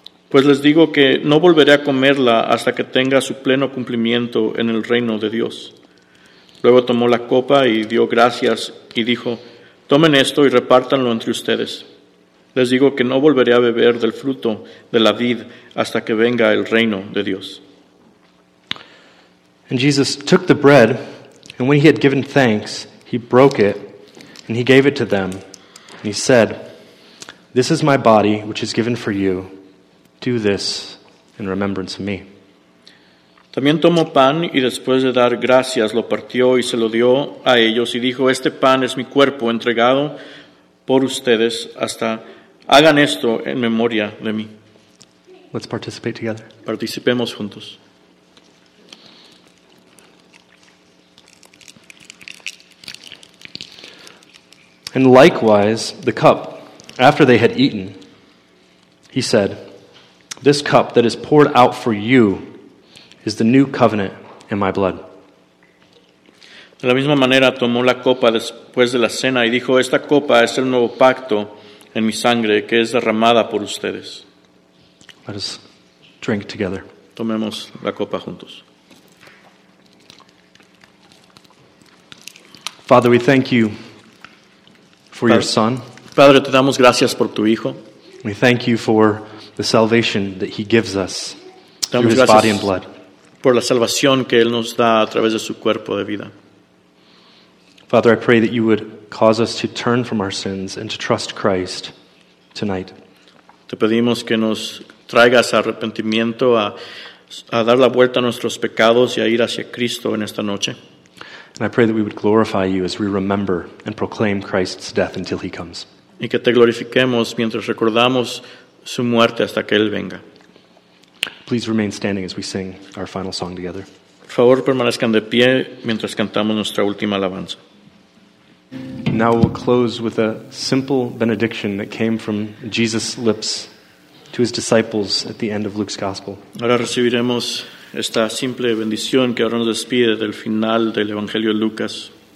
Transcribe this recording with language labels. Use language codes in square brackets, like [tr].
[es] Pues les digo que no volveré a comerla hasta que tenga su pleno cumplimiento en el reino de Dios." Luego tomó la copa y dio gracias y dijo: "Tomen esto y repártanlo entre ustedes. Les digo que no volveré a beber del fruto de la vid hasta que venga el reino de Dios." [en] And Jesus took the bread, and when he had given thanks, he broke it And he gave it to them, and he said, "This is my body, which is given for you. Do this in remembrance of me." [es] También tomó pan, y después de dar gracias, lo partió y se lo dio a ellos, y dijo, "Este pan es mi cuerpo entregado por ustedes hasta hagan esto en memoria de mí." [en] Let's participate together. [es] Participemos juntos. [en] And likewise, the cup, after they had eaten, he said, "This cup that is poured out for you is the new covenant in my blood." [es] De la misma manera, tomó la copa después de la cena y dijo, "Esta copa es el nuevo pacto en mi sangre que es derramada por ustedes." [en] Let us drink together. [es] Tomemos la copa juntos. [en] Father, we thank you for your son. [es] Padre, te damos gracias por tu hijo. [en] We thank you for the salvation that he gives us through his body and blood. [es] Por la salvación que él nos da a través de su cuerpo de vida. [en] Father, I pray that you would cause us to turn from our sins and to trust Christ tonight. [es] Te pedimos que nos traigas arrepentimiento, a dar la vuelta a nuestros pecados y a ir hacia Cristo en esta noche. [en] And I pray that we would glorify you as we remember and proclaim Christ's death until he comes. [es] Y que te glorifiquemos mientras recordamos su muerte hasta que él venga. [en] Please remain standing as we sing our final song together. [es] Por favor, permanezcan de pie mientras cantamos nuestra última alabanza. [en] Now we'll close with a simple benediction that came from Jesus' lips to his disciples at the end of Luke's gospel. [es] Ahora recibiremos esta simple bendición que ahora nos despide del final del Evangelio de Lucas.